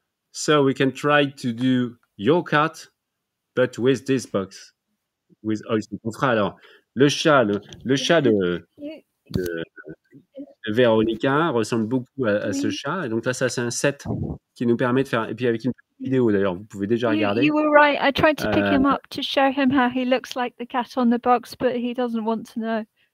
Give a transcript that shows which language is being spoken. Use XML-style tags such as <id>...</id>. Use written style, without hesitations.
<en>So we can try to do your cat, but with this box. With oil sticks.</en> <fr>On fera alors. Le chat de Véronica ressemble beaucoup à ce chat. Et donc là, ça, c'est un set qui nous permet de faire... Et puis avec une vidéo, d'ailleurs, vous pouvez déjà regarder.</fr> <en>You were right. I tried to pick him up to show him how he looks like the cat on the box, but he doesn't want to know.</en>